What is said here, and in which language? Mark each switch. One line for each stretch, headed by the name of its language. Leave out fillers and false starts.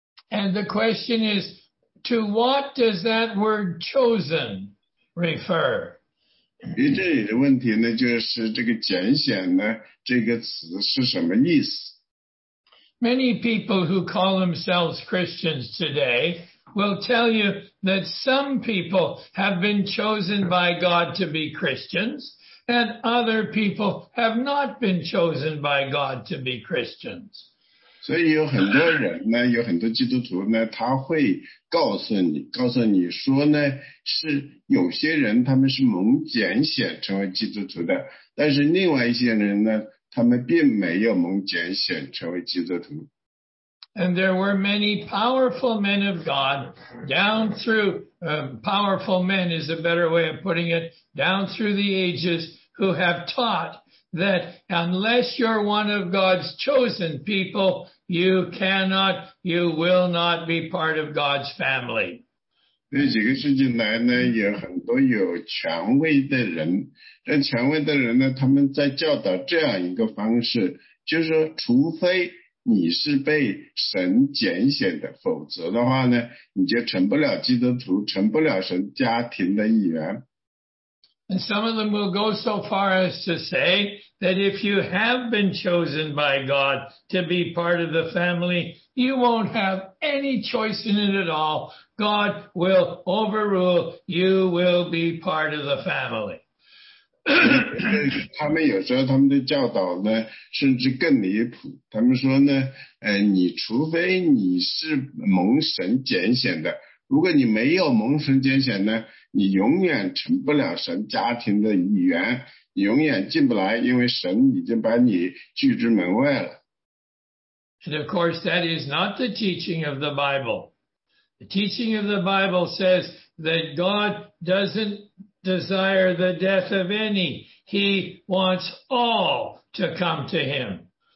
English: And the question is,To what does that word chosen refer?
Chinese: 于这里的问题呢，就是这个拣选呢，这个词是什么意思？
English: Many people who call themselves Christians today will tell you that some people have been chosen by God to be Christians, and other people have not been chosen by God to be Christians.
Chinese: 所以有很多人呢，有很多基督徒呢，他会告诉你，告诉你说呢，是有些人他们是蒙拣选成为基督徒的，但是另外一些人呢，他们并没有蒙拣选成为基督徒。
English: And there were many powerful men of God down through, powerful men is a better way of putting it, down through the ages who have taughtThat unless you're one of God's chosen people, you cannot, you will not be part of God's family.
Chinese: 这几个世纪来呢，有很多有权威的人，但权威的人呢，他们在教导这样一个方式，就是说，除非你是被神拣选的，否则的话呢，你就成不了基督徒，成不了神家庭的一员。
English: And some of them will go so far as to say that if you have been chosen by God to be part of the family, you won't have any choice in it at all. God will overrule. You will be part of the family.
Chinese: 他们有时候他们的教导呢，甚至更离谱。他们说呢，你除非你是蒙神拣选的，如果你没有蒙神拣选呢，你永远成不了神家庭的一员，你永远进不来，因为神已经把你拒之门外了。
English: And of course, that is not the teaching of the Bible. The teaching of the Bible says that God doesn't desire the death of any. He wants all to come to him.